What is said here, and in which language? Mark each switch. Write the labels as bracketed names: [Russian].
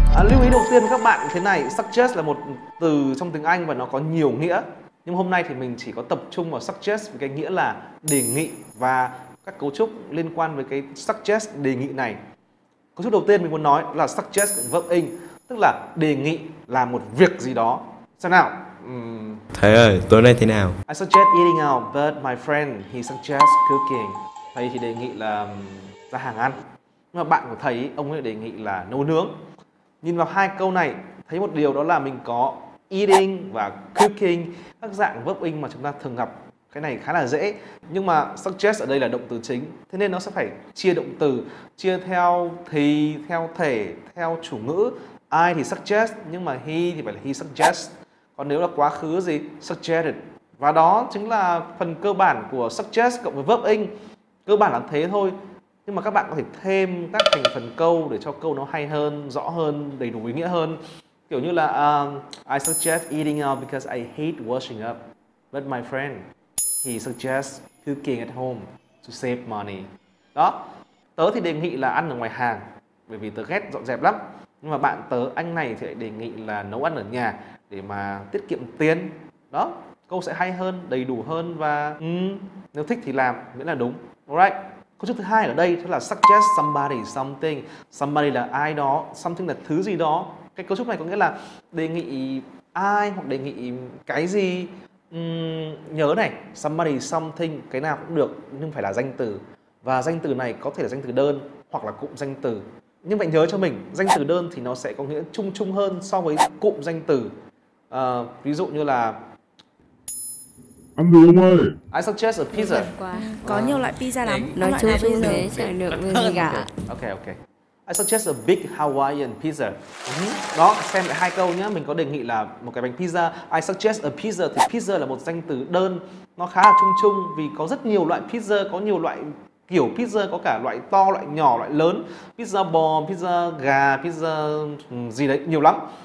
[Vietnamese] Lưu ý đầu tiên các bạn thế này, suggest là một từ trong tiếng Anh và nó có nhiều nghĩa. Nhưng hôm nay thì mình chỉ có tập trung vào suggest với cái nghĩa là đề nghị và các cấu trúc liên quan với cái suggest đề nghị này. Cấu trúc đầu tiên mình muốn nói là suggest verb in, tức là đề nghị là một việc gì đó. Sao nào? Thầy ơi, tối nay thế nào? [English] I suggest eating out, but my friend, he suggests cooking. [Vietnamese] Thầy thì đề nghị là ra hàng ăn. Nhưng mà bạn của thầy, ông ấy đề nghị là nấu nướng. Nhìn vào hai câu này, thấy một điều đó là mình có eating và cooking, các dạng verb in mà chúng ta thường gặp. Cái này khá là dễ, nhưng mà suggest ở đây là động từ chính, thế nên nó sẽ phải chia động từ, chia theo thì, theo thể, theo chủ ngữ. I thì suggest, nhưng mà he thì phải là he suggests. Còn nếu là quá khứ gì, suggested. Và đó chính là phần cơ bản của suggest cộng với verb in. Cơ bản là thế thôi. Nhưng mà các bạn có thể thêm các thành phần câu để cho câu nó hay hơn, rõ hơn, đầy đủ ý nghĩa hơn. [English] Kiểu như là I suggest eating out because I hate washing up. But my friend, he suggests cooking at home to save money. [Vietnamese] Đó, tớ thì đề nghị là ăn ở ngoài hàng bởi vì tớ ghét dọn dẹp lắm. Nhưng mà bạn tớ, anh này thì lại đề nghị là nấu ăn ở nhà để mà tiết kiệm tiền. Đó, câu sẽ hay hơn, đầy đủ hơn và nếu thích thì làm, miễn là đúng. Alright. Câu chữ thứ hai ở đây là suggest somebody something. Somebody là ai đó, something là thứ gì đó. Cái cấu trúc này có nghĩa là đề nghị ai hoặc đề nghị cái gì. Nhớ này, somebody something, cái nào cũng được, nhưng phải là danh từ. Và danh từ này có thể là danh từ đơn hoặc là cụm danh từ. Nhưng bạn nhớ cho mình, danh từ đơn thì nó sẽ có nghĩa chung chung hơn so với cụm danh từ. Ví dụ như là ăn được không ơi? [English] I suggest a pizza. [Vietnamese] Có nhiều loại pizza lắm. Nói chung chung thế chẳng được gì cả. [English] Okay. I suggest a big Hawaiian pizza. [Vietnamese] Đó, xem lại hai câu nhé. Mình có đề nghị là một cái bánh pizza. [English] I suggest a pizza [Vietnamese] thì pizza là một danh từ đơn. Nó khá là chung chung vì có rất nhiều loại pizza, có nhiều loại kiểu pizza, có cả loại to, loại nhỏ, loại lớn. Pizza bò, pizza gà, pizza gì đấy, nhiều lắm.